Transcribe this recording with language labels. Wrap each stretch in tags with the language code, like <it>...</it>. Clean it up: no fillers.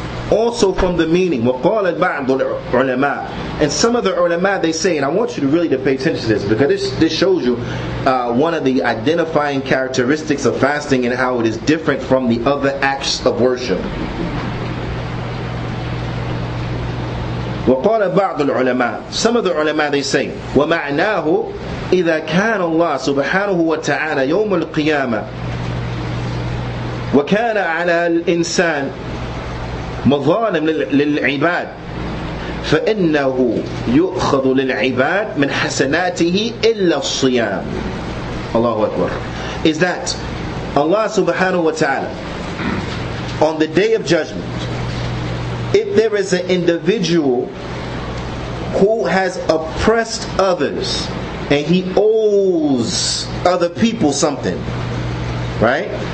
<en>Also from the meaning,</en> <ar>وقال البعض العلماء,</ar> <en>and some of the ulama they say, and I want you to really to pay attention to this, because this shows you one of the identifying characteristics of fasting and how it is different from the other acts of worship.</en> <ar>وقال بعض العلماء,</ar> <en>some of the ulama they say,</en> <ar>ومعناه إذا كان الله سبحانه وتعالى يوم القيامة وكان على الإنسان مظالم للعباد فإنه يؤخذ للعباد من حسناته إلا الصيام. الله أكبر.</ar> <en>Is that Allah</en> <ar>subhanahu wa ta'ala,</ar> <en>on the day of judgment, if there is an individual who has oppressed others and he owes other people something, right?</en>